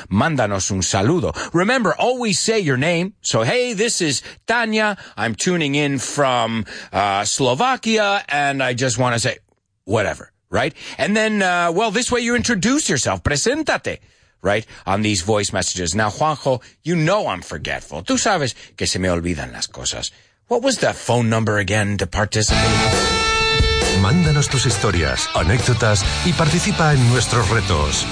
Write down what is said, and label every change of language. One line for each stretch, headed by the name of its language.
English: Mándanos un saludo. Remember, always say your name. So, hey, this is Tanya. I'm tuning in from Slovakia, and I just want to say whatever. Right? And then, well, this way you introduce yourself. Preséntate. Right? On these voice messages. Now, Juanjo, you know I'm forgetful.
Spanish: Tú sabes que se me olvidan las cosas.
English: What was the phone number again to participate?
Spanish: Mándanos tus historias, anécdotas y participa en nuestros retos.